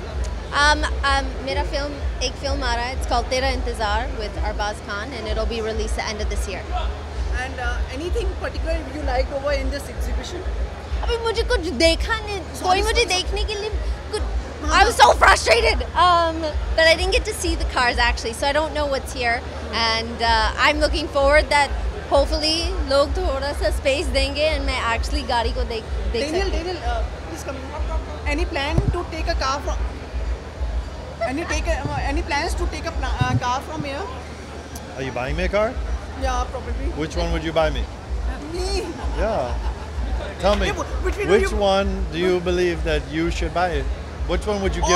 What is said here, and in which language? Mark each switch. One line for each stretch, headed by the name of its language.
Hindi: मेरा फिल्म, एक फिल्म आ रहा है,
English: It's called Tera Intezaar with Arbaaz Khan and it will be release at the end of this year. And anything particular you like over in this exhibition?
Hindi: अभी मुझे कुछ देखा नहीं, कोई मुझे देखने के लिए कुछ.
English: I was so frustrated, but I didn't get to see the cars actually, so I don't know what's here. And I'm looking forward that hopefully
Hindi: लोग थोड़ा सा स्पेस देंगे एंड मैं एक्चुअली गाड़ी को देख देख सकूं.
English: Daniel, please come. Any plan to take a car from? Any plans to take a car from here? Are you buying me a car? Yeah, probably. Which one would you buy me? Me. Yeah. tell me, which one do you believe that you should buy? Which one would you give me?